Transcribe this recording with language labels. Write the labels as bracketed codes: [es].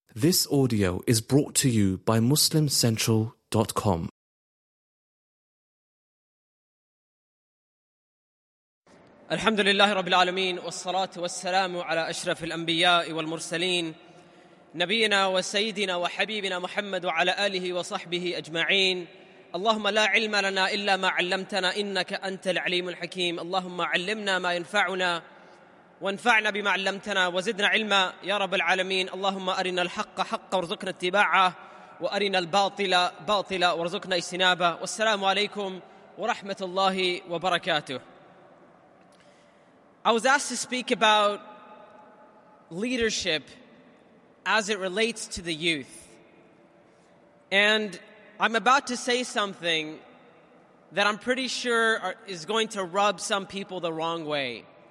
[en] This audio is brought to you by MuslimCentral.com. [ar] الحمد لله رب العالمين والصلاة والسلام على أشرف الأنبياء والمرسلين نبينا وسيدنا وحبيبنا محمد وعلى آله وصحبه أجمعين. اللهم لا علم لنا إلا ما علمتنا إنك أنت العليم الحكيم. اللهم علمنا ما ينفعنا وانفعنا بما علمتنا وزدنا علما يا رب العالمين. اللهم أرنا الحق حقا وارزقنا اتباعه وأرنا الباطل باطلا وارزقنا اجتنابه. والسلام عليكم ورحمة الله وبركاته. [en] I was asked to speak about leadership as it relates to the youth. And I'm about to say something that I'm pretty sure is going to rub some people the wrong way.